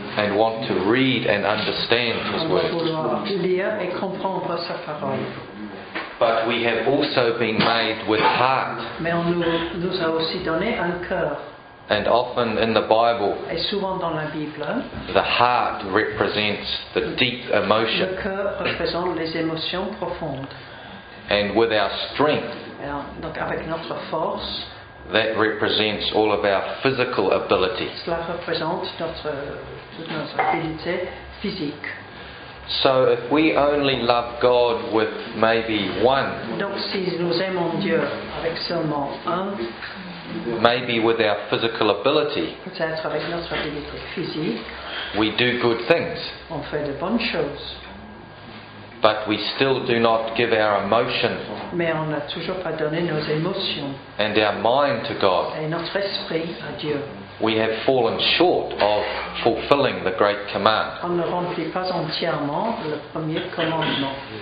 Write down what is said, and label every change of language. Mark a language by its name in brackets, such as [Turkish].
[English] And want to read and understand His Word. [French] On doit lire et comprendre sa parole. [English] But we have also been made with heart. [French] Mais on nous a aussi donné un cœur. [English] And often in the Bible, [French] et souvent dans la Bible, [English] the heart represents the deep emotion. [French] Le cœur représente les émotions profondes. [English] And with our strength, [French] donc avec notre force, [English] that represents all of our physical ability. [French] Cela représente notre habilité physique. [English] So if we only love God with maybe one, [French] donc si nous aimons Dieu avec seulement un, [English] maybe with our physical ability, [French] peut-être avec notre habilité physique, [English] we do good things. [French] On fait de bonnes choses. [English] But we still do not give our emotion, [French] mais on n'a toujours pas donné nos émotions, [English] and our mind to God. [French] Et notre esprit à Dieu. [English] We have fallen short of fulfilling the great command. [French] On ne remplit pas entièrement le premier commandement.